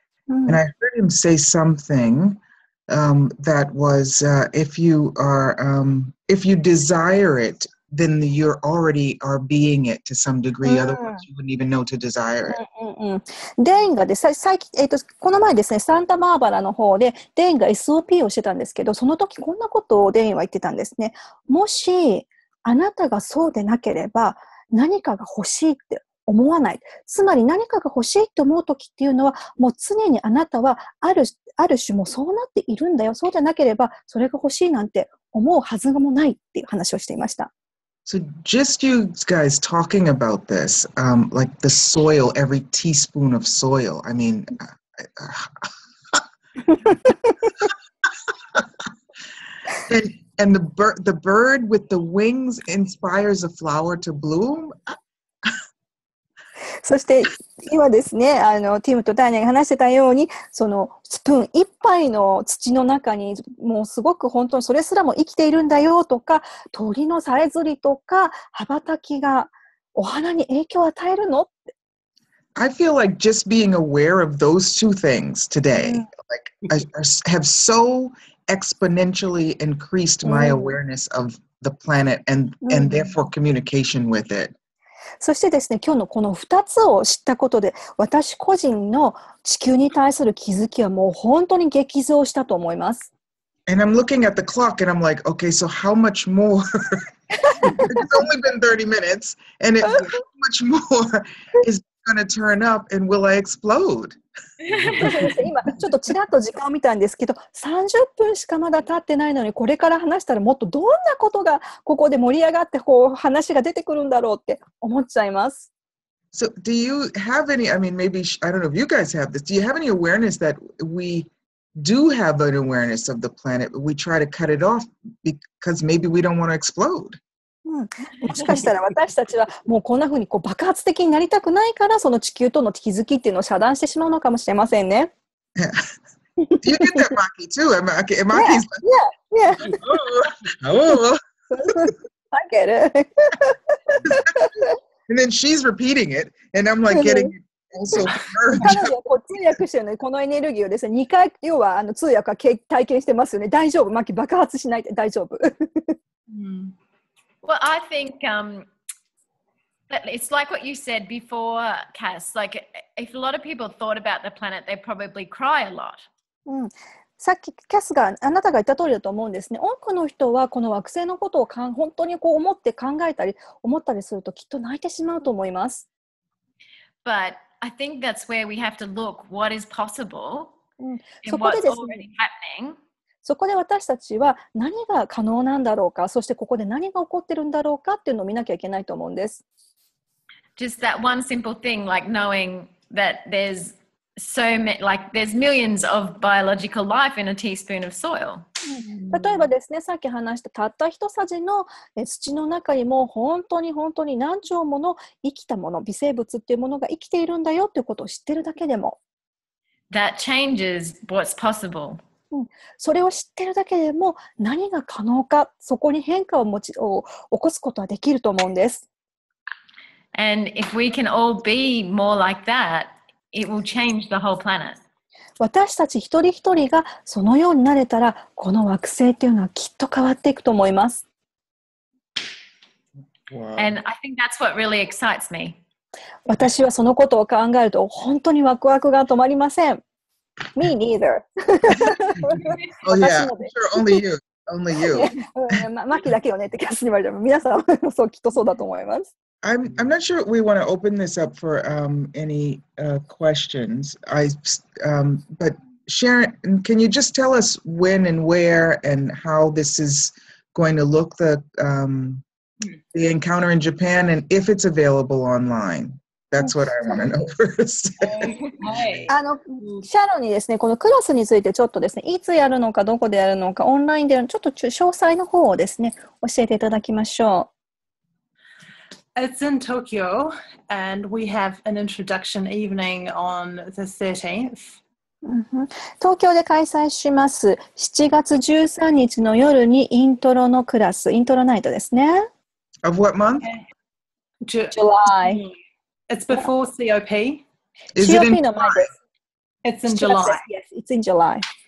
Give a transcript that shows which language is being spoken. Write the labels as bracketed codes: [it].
[en] And I heard him say something that was, if you desire it, then you already are being it to some degree.、Mm-hmm. Otherwise, you wouldn't even know to desire it. [ja] デインがですね、最近、この前ですね、サンタバーバラの方でデインが SOP をしてたんですけど、その時こんなことをデインは言ってたんですね。もしあなたがそうでなければ、何かが欲しいって。思わない。つまり何かが欲しいと思うときっていうのは、もう常にあなたはある種もそうなっているんだよ。そうじゃなければそれが欲しいなんて思うはずがもないっていう話をしていました。 [en] So just you guys talking about this, like the soil, every teaspoon of soil. I mean, and the bird with the wings inspires a flower to bloom. [ja] そして今ですね、ティムとタニアが話してたように、そのスプーン一杯の土の中に、もうすごく本当にそれすらも生きているんだよとか、鳥のさえずりとか、羽ばたきがお花に影響を与えるのって。 [en] I feel like just being aware of those two things today, like, have so exponentially increased my awareness of the planet and therefore communication with it. [ja] そしてですね、今日のこの2つを知ったことで、私個人の地球に対する気づきはもう本当に激増したと思います。 [en] And I'm looking at the clock and I'm like, okay, so how much more? It's only been 30 minutes. And it, how much more is going to turn up and will I explode? [ja] 今、ちょっとちらっと時間を見たんですけど、30分しかまだ経ってないのに、これから話したらもっとどんなことがここで盛り上がってこう話が出てくるんだろうって思っちゃいます。 [en] So, do you have any, I mean, maybe, I don't know if you guys have this, do you have any awareness that we do have an awareness of the planet, but we try to cut it off because maybe we don't want to explode? [ja] もしかしたら私たちはもうこんな風にこう爆発的になりたくないからその地球との気づきっていうのを遮断してしまうのかもしれませんね。 [en] Yeah. You get that, Maki, too. Maki's like, yeah, yeah. yeah. Hello. I get it. And then she's repeating it, and I'm like getting also merged. [ja] 彼女はこう通訳してるのに、このエネルギーをですね、2回、要は通訳は体験してますよね。大丈夫、Maki、爆発しないで大丈夫。 [en] Well, I think it's like what you said before, Kass. Like, if a lot of people thought about the planet, they'd probably cry a lot. [ja] さっき、キャスがあなたが言った通りだと思うんですね。多くの人はこの惑星のことを本当にこう思って考えたり、思ったりするときっと泣いてしまうと思います。 [en] But I think that's where we have to look what is possible and what's already happening. [ja] そこで私たちは何が可能なんだろうか、そしてここで何が起こってるんだろうかっていうのを見なきゃいけないと思うんです。 [en] Just that one simple thing, like knowing that there's so many, like there's millions of biological life in a teaspoon of soil. [ja] 例えばですね、さっき話したたった一さじの土の中にも本当に本当に何兆もの生きたもの、微生物っていうものが生きているんだよっていうことを知ってるだけでも。 [en] That changes what's possible. [ja] それを知ってるだけでも何が可能か、そこに変化 を起こすことはできると思うんです。 [en] And if we can all be more like that, it will change the whole planet. [ja] 私たち一人一人がそのようになれたら、この惑星というのはきっと変わっていくと思います。 [en] Wow. And I think that's what really excites me. [ja] 私はそのことを考えると本当にワクワクが止まりません。 [en] Me neither. Oh yeah, sure, only you. Only you. [ja] マキだけよねってキャスに言われても、皆さんもそうきっとそうだと思います。 [en] I'm not sure we want to open this up for any questions. But Sharon, can you just tell us when and where and how this is going to look, the encounter in Japan, and if it's available online? That's what I want to know first. [ja] Sharon にですね、このクラスについてちょっとですね、いつやるのかどこでやるのかオンラインでちょっと詳細の方をですね、教えていただきましょう。 [en] It's in Tokyo, and we have an introduction evening on the 13th. [ja] 東京で開催します。 7月13日の夜にイントロのクラス、イントロナイトですね。 [en] Of what month? July. It's before COP. Is COP it in July? It's in July. Yes, it's in July.